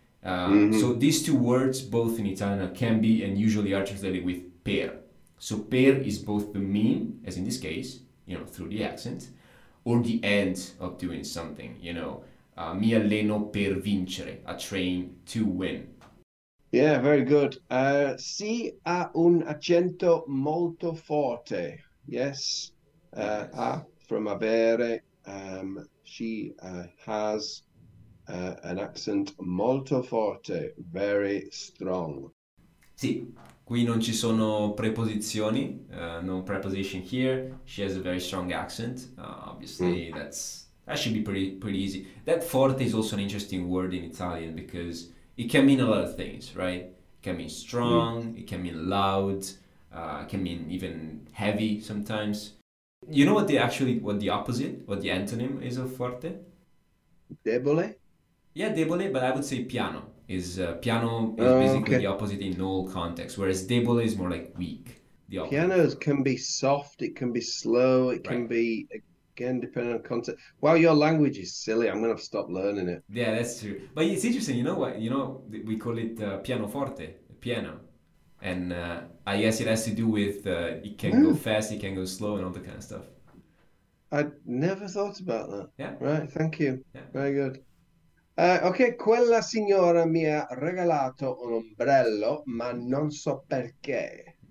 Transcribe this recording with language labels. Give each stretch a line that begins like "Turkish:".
English: So these two words, both in Italian, can be and usually are translated with per. So per is both the mean, as in this case, you know, through the accent, or the end of doing something, you know,
Italian: mi alleno per vincere,
English: a train to win. Yeah, very good.
Italian: Si ha un accento molto forte. Yes. Ha, from avere,
English: She has an accent
Italian: molto forte,
English: very strong.
Italian: Sì, qui non ci sono preposizioni,
English: no preposition here. She has a very strong accent. Obviously, that should be pretty easy. That forte is also an interesting word in Italian because it can mean a lot of things, right? It can mean strong, it can mean loud, it can mean even heavy sometimes. You know what the opposite, what the antonym is of forte? Debole? Yeah, debole, but I would say piano. Piano is basically the opposite in all contexts, whereas debole is more like weak, the opposite. Pianos can be soft, it can be slow, it can Right. be, again, depending on context. Well, your language is silly. I'm gonna stop learning it. Yeah, that's true. But it's interesting, you know what? You know, we call it pianoforte, piano. And I guess it has to do with it can go Oh. fast, it can go slow, and all that kind of stuff. I never thought about Yeah. that. Right, thank you. Very good.
Italian: Ok, quella signora mi ha regalato un ombrello, ma non so perché.